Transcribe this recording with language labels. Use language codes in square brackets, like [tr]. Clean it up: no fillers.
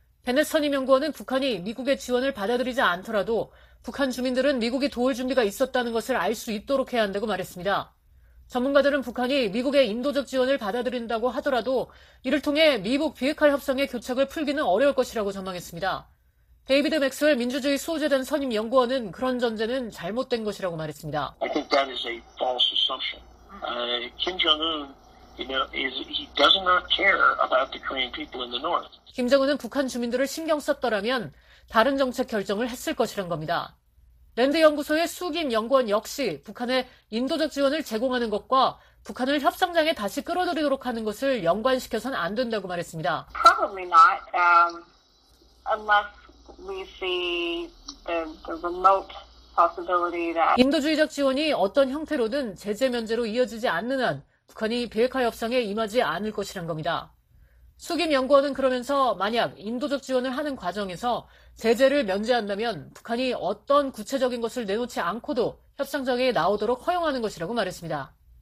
[ko] 베넷 선임 연구원은 북한이 미국의 지원을 받아들이지 않더라도 북한 주민들은 미국이 도울 준비가 있었다는 것을 알 수 있도록 해야 한다고 말했습니다. 전문가들은 북한이 미국의 인도적 지원을 받아들인다고 하더라도 이를 통해 미국 비핵화 협상의 교착을 풀기는 어려울 것이라고 전망했습니다. 데이비드 맥스웰 민주주의 수호재단 선임 연구원은 그런 전제는 잘못된 것이라고 말했습니다. [en] I think that is a false assumption. Kim Jong-un, he does not care about the Korean people in the north. [ko] 김정은은 북한 주민들을 신경 썼더라면 다른 정책 결정을 했을 것이란 겁니다. 랜드 연구소의 수김 연구원 역시 북한에 인도적 지원을 제공하는 것과 북한을 협상장에 다시 끌어들이도록 하는 것을 연관시켜선 안 된다고 말했습니다. [en] Probably not, unless we see the remote possibility that [ko] 인도주의적 지원이 어떤 형태로든 제재 면제로 이어지지 않는 한 북한이 비핵화 협상에 임하지 않을 것이란 겁니다. 수김 연구원은 그러면서 만약 인도적 지원을 하는 과정에서 제재를 면제한다면 북한이 어떤 구체적인 것을 내놓지 않고도 협상장에 나오도록 허용하는 것이라고 말했습니다.